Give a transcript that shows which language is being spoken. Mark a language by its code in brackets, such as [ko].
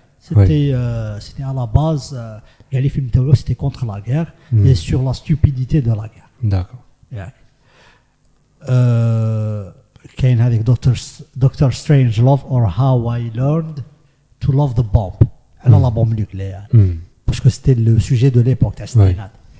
[fr] C'était à la base, les films de c'était contre la guerre et sur la stupidité de la guerre. D'accord. [en] Yeah. Can I have Doctor Strange Love or How I Learned to Love the Bomb? [fr] Alors la bombe nucléaire, parce que c'était le sujet de l'époque, c'est ça.